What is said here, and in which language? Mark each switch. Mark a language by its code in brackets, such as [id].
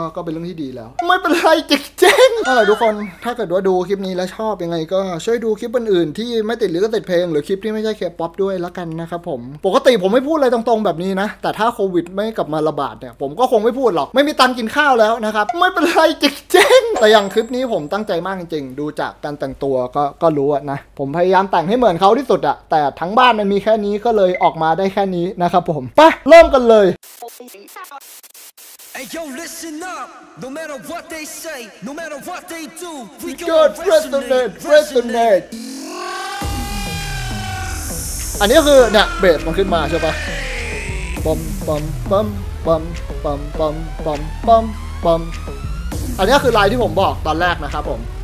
[th] ก็เป็นเรื่องที่ดีแล้วไม่เป็นไรจริงๆเออทุกคนถ้าเกิดว่าดูคลิปนี้แล้วชอบยังไงก็ช่วยดูคลิปอื่นๆที่ไม่ติดหรือก็ติดเพลงหรือคลิปที่ไม่ใช่เคป๊อปด้วยละกันนะครับผมปกติผมไม่พูดอะไรตรงๆแบบนี้นะแต่ถ้าโควิดไม่กลับมาระบาดเนี่ยผมก็คงไม่พูดหรอกไม่มีตังค์กินข้าวแล้วนะครับไม่เป็นไรจริงๆแต่อย่างคลิปนี้ผมตั้งใจมากจริงๆดูจากการแต่งตัว ก็รู้อะนะผมพยายามแต่งให้เหมือนเขาที่สุดอะแต่ทั้งบ้านมันมีแค่นี้ก็เลยออกมาได้แค่นี้นะครับผมไปเริ่มกันเลย [en] Hey yo, listen up. No matter what they say, no matter what they do, we gonna resonate. [th] อันนี้คือเนี่ยเบสมันขึ้นมาใช่ปะ ปอมปอมปอมปอมปอมปอมปอมปอมปอมอันนี้คือไลน์ที่ผมบอกตอนแรกนะครับผม